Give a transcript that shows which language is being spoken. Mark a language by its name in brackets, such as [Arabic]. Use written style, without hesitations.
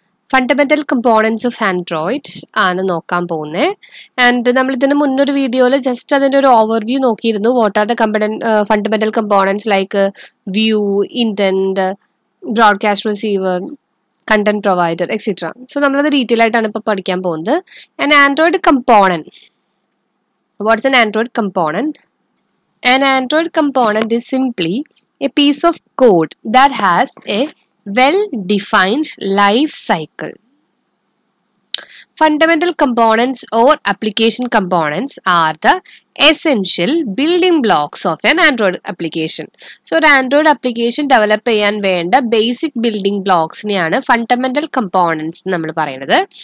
[English] Fundamental components of Android [Malayalam] ആണ് നോക്കാൻ പോകുന്നേ. ആൻഡ് നമ്മൾ ഇതിന് മുന്നൊരു വീഡിയോയിൽ ജസ്റ്റ് അതിൻ്റെ ഒരു ഓവർവ്യൂ നോക്കിയിരുന്നു. [English] What are the fundamental components like view, intent, broadcast receiver, content provider etcetera. [Malayalam] So നമ്മളത് ഡീറ്റെയിൽ ആയിട്ടാണ് ഇപ്പോൾ പഠിക്കാൻ പോകുന്നത്. [English] And Android component, what's an Android component? An Android component is simply a piece of code that has a well-defined life cycle. Fundamental components or application components are the essential building blocks of an Android application. [Malayalam] So, an Android application develop cheyanvenda [English] basic building blocks [Malayalam] niyana fundamental components nammal parayanathu.